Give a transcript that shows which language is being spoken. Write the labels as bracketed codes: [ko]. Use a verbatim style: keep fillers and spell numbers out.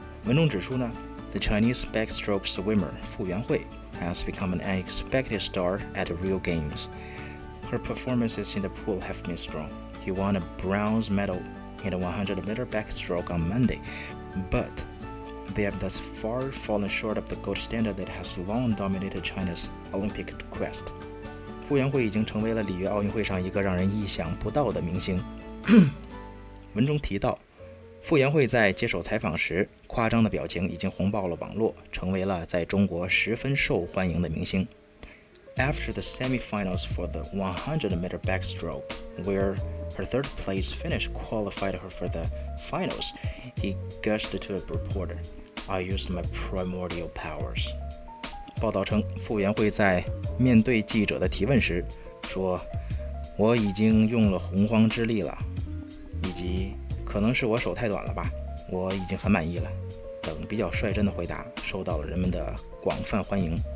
[zh] 文中指出呢， [en] The Chinese backstroke swimmer 傅园慧 has become an unexpected star at the Rio Games. Her performances in the pool have been strong. He won a bronze medal in the one hundred meter backstroke on Monday, but they have thus far fallen short of the gold standard that has long dominated China's Olympic quest. [zh] 傅园慧已经成为了里约奥运会上一个让人意想不到的明星。文中提到，傅园慧在接受采访时夸张的表情已经红爆了网络，成为了在中国十分受欢迎的明星。 [en] After the semifinals for the one hundred meter backstroke, where her third place finish qualified her for the finals, he gushed to a reporter, "I used my primordial powers." [zh] 报道称，傅园慧在面对记者的提问时说：“我已经用了洪荒之力了，以及可能是我手太短了吧，我已经很满意了”等比较率真的回答，受到了人们的广泛欢迎。